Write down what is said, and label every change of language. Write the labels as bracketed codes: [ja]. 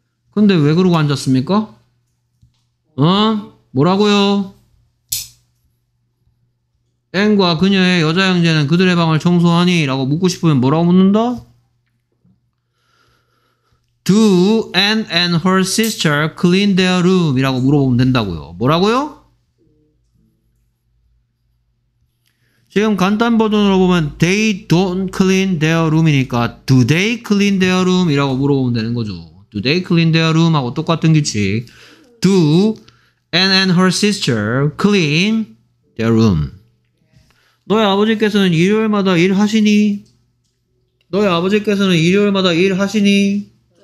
[ko] 근데 왜 그러고 앉았습니까? 어? 뭐라고요? Anne과 그녀의 여자 형제는 그들의 방을 청소하니? 라고 묻고 싶으면 뭐라고 묻는다? [en] Do Anne and her sister clean their room? [ko] 이라고 물어보면 된다고요. 뭐라고요? 지금 간단 버전으로 보면 [en] They don't clean their room이니까 Do they clean their room? [ko] 이라고 물어보면 되는 거죠. [en] Do they clean their room? [ko] 하고 똑같은 규칙. [en] Do Anne and her sister clean their room? [ko] 너의 아버지께서는 일요일마다 일하시니? 너의 아버지께서는 일요일마다 일하시니?